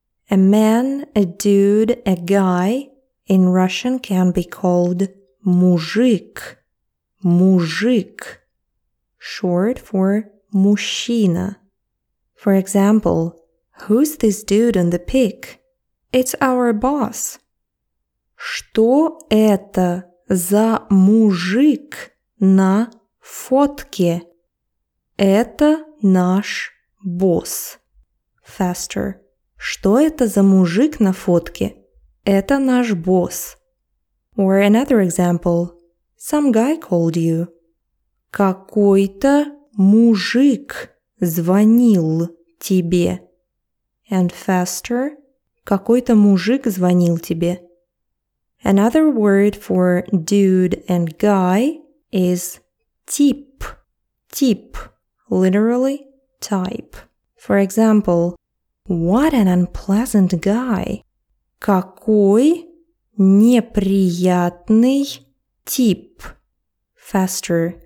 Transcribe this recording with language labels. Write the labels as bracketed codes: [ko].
[en] A man, a dude, a guy in Russian can be called мужик. Мужик, short for мужчина. For example, who's this dude on the pic? It's our boss. [ru] Что это за мужик на фотке? Это наш босс. [en] Faster. [ru] Что это за мужик на фотке? Это наш босс. [en] Or another example. Some guy called you. [ru] Какой-то мужик звонил тебе. [en] And faster. [ru] Какой-то мужик звонил тебе. [en] Another word for dude and guy is тип. Тип. Literally, type. For example, what an unpleasant guy. [ru] Какой неприятный тип. [en] Faster.